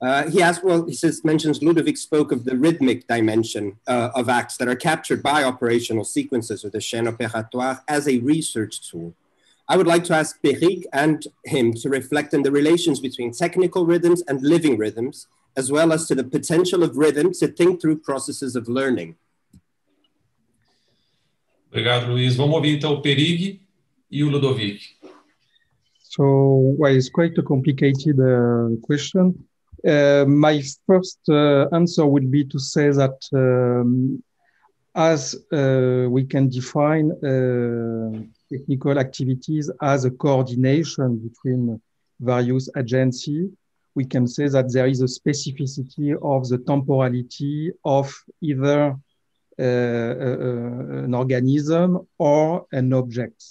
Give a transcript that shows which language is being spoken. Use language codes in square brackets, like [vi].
[en] He mentions Ludovic spoke of the rhythmic dimension of acts that are captured by operational sequences or the chaîne opératoire as a research tool. I would like to ask Perig and him to reflect on the relations between technical rhythms and living rhythms, as well as to the potential of rhythm to think through processes of learning. [pt] Obrigado, Luiz. Vamos ouvir então o Perig e o Ludovic. [en] So, it's quite a complicated question. My first answer would be to say that as we can define technical activities as a coordination between various agencies, we can say that there is a specificity of the temporality of either an organism or an object.